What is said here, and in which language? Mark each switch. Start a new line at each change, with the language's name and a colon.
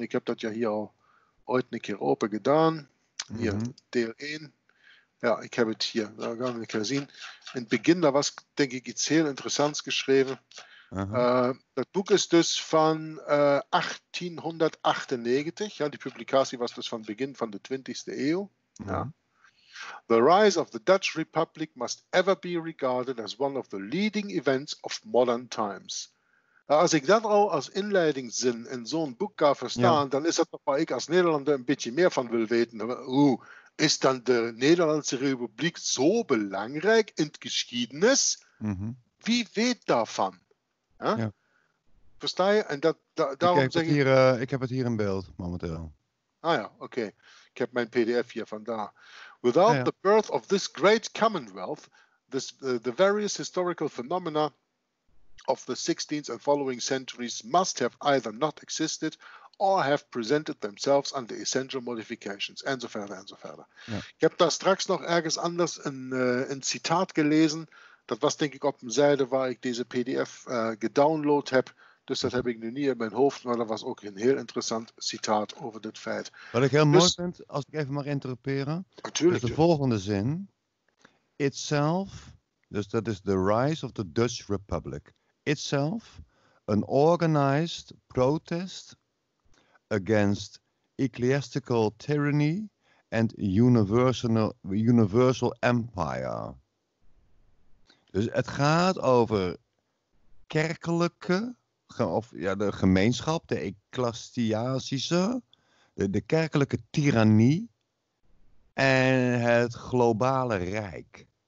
Dutch: Ik heb dat ja hier al ooit een keer open gedaan. Hier, deel 1. Ja, ik heb het hier. Daar gaan we een keer zien. In het begin, daar was, denk ik, iets heel interessants geschreven. Dat boek is dus van 1898. Ja, die publicatie was dus van het begin van de 20e eeuw. Ja.
English: The rise of the Dutch Republic must ever be regarded as one of the leading events of modern times.
Dutch: Als ik dat al als inleidingszin in zo'n boek ga verstaan, dan is dat waar ik als Nederlander een beetje meer van wil weten. Hoe is dan de Nederlandse Republiek zo belangrijk in het geschiedenis? Mm-hmm. Wie weet daarvan? Huh? Ja. Versta je? En daarom zeg ik. Ik heb het hier in beeld momenteel. Ah ja, oké. Ik heb mijn PDF hier vandaar.
English: Without the birth of this great commonwealth, the various historical phenomena of the 16th and following centuries must have either not existed or have presented themselves under essential modifications,
Dutch: enzovoort. Ja. Ik heb daar straks nog ergens anders een citaat gelezen. Dat was denk ik op een zijde waar ik deze PDF gedownload heb. Dus dat heb ik nu niet in mijn hoofd, maar dat was ook een heel interessant citaat over dit feit. Wat ik heel mooi vind, als ik even mag interroperen, natuurlijk. Is de volgende zin.
English: Itself,
Dutch: dus dat is
English: the rise of the Dutch Republic. Itself, an organized protest against ecclesiastical tyranny and universal empire.
Dutch: Dus het gaat over kerkelijke, of ja, de gemeenschap, de ecclesiastische, de kerkelijke tirannie en het globale rijk.